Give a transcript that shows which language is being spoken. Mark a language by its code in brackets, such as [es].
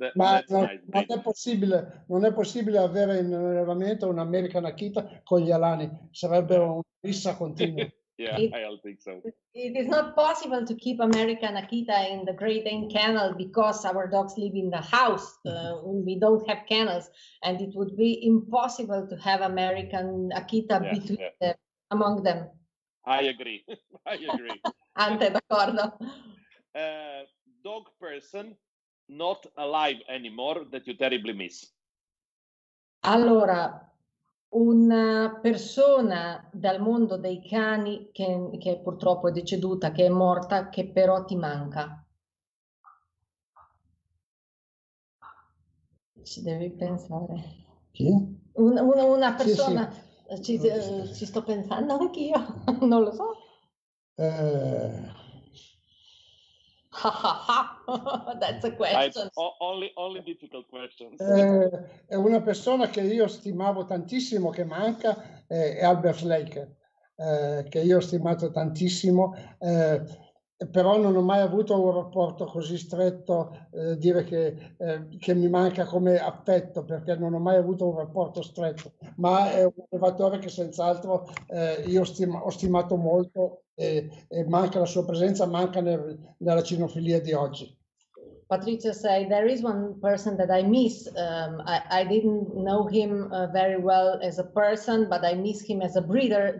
[it] Non è possibile, non è possibile avere in allevamento un American Akita con gli alani. Sarebbe una rissa continua. [en] Yeah, I don't think so. It is not possible to keep American Akita in the Great Dane kennel because our dogs live in the house. We don't have kennels, and it would be impossible to have American Akita among them. I agree. [it] Ante d'accordo. [en] Dog person not alive anymore that you terribly miss. [it] Allora. Una persona dal mondo dei cani che purtroppo è deceduta, che è morta, che però ti manca. Ci devi pensare. Chi? Una persona. Sì, sì. Ci sto pensando anch'io. Non lo so. [en] That's a question. Only difficult questions. [it] È una persona che io stimavo tantissimo che manca, è Albert Schleicher, che io ho stimato tantissimo. però non ho mai avuto un rapporto così stretto, dire che mi manca come affetto, perché non ho mai avuto un rapporto stretto, ma è un allevatore che senz'altro io ho stimato molto e manca la sua presenza, manca nella cinofilia di oggi. [en] Patrizio said, there is one person that I miss. I didn't know him very well as a person, but I miss him as a breeder.